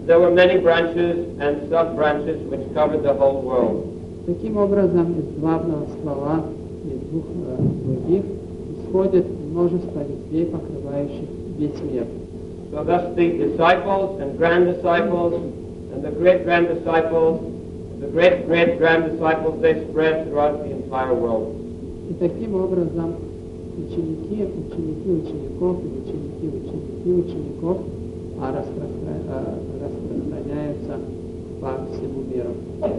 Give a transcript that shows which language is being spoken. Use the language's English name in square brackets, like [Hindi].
[Russian] Таким образом, из главного ствола, из двух других исходит множество ветвей, покрывающих весь мир. [English] So thus the disciples and grand disciples and the great grand disciples, the great great grand disciples, they spread throughout the entire world. [Russian] И таким образом ученики, ученики учеников, ученики, ученики учеников распространяются по всему миру.